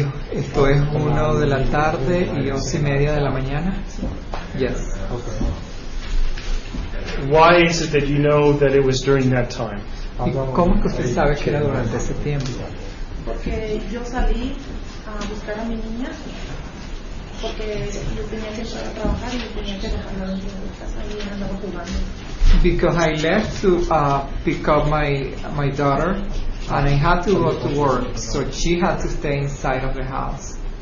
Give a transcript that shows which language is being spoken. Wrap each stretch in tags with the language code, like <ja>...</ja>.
<es>Esto es 1 de la tarde y 11 y media de la mañana.</es> <en>Yes. Why is it that you know that it was during that time?</en> <es>¿Y cómo es que usted sabe que era durante ese tiempo? Porque yo salí a buscar a mi niña porque yo tenía que ir a trabajar y yo tenía que dejarla en casa y andaba jugando.</es> <en>Because I left to pick up my daughter, and I had to go to work, so she had to stay inside of the house.</en>